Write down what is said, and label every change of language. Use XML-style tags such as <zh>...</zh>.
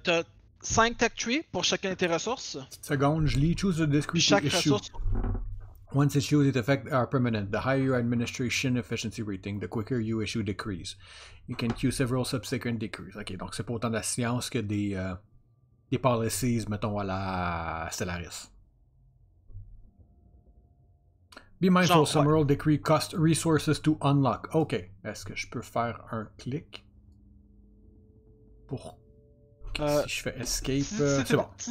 <fr>T'as 5 tech trees pour chacun de tes ressources. Seconde, je lis.</fr> <en>Choose a discrete</en> <fr>chaque</fr> <en>issue.</en> <fr>Ressource.</fr> <en>Once issued, its effects are permanent. The higher your administration efficiency rating, the quicker you issue decrees. You can queue several subsequent decrees.</en> <fr>Ok, donc c'est pas autant de la science que des policies, mettons, à la Stellaris.</fr> <en>Be mindful,</en> <fr>genre,</fr> <en>some</en> <fr>ouais.</fr> <en>World decree cost resources to unlock.</en> <fr>Ok, est-ce que je peux faire un clic pour que si je fais escape, c'est bon.</fr>